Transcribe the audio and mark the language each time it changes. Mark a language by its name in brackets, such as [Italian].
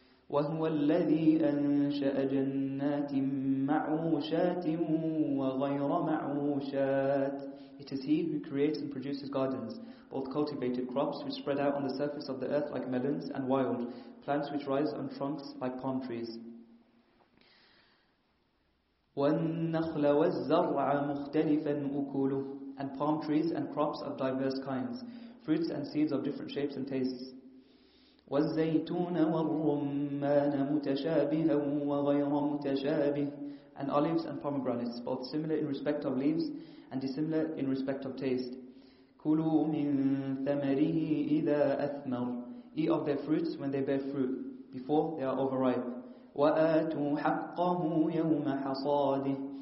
[Arabic] وَهُوَ الَّذِي أَنْشَأَ جَنَّاتٍ مَعْرُوشَاتٍ وَغَيْرَ مَعْرُوشَاتٍ. [English] It is He who creates and produces gardens, both cultivated crops which spread out on the surface of the earth like melons, and wild plants which rise on trunks like palm trees. [Arabic] وَالنَّخْلَ وَالزَّرْعَ مُخْتَلِفًا أُكُلُهُ. [English] And palm trees and crops of diverse kinds, fruits and seeds of different shapes and tastes. [Arabic] والزيتون والرمان متشابها وغير متشابه. [English] And olives and pomegranates, both similar in respect of leaves and dissimilar in respect of taste. [Arabic] كُلُوا مِن ثَمَرِهِ إِذَا أَثْمَرُ. [English] Eat of their fruits when they bear fruit, before they are overripe. [Arabic] وَآتُوا حَقَّهُ يَوْمَ حَصَادِهِ.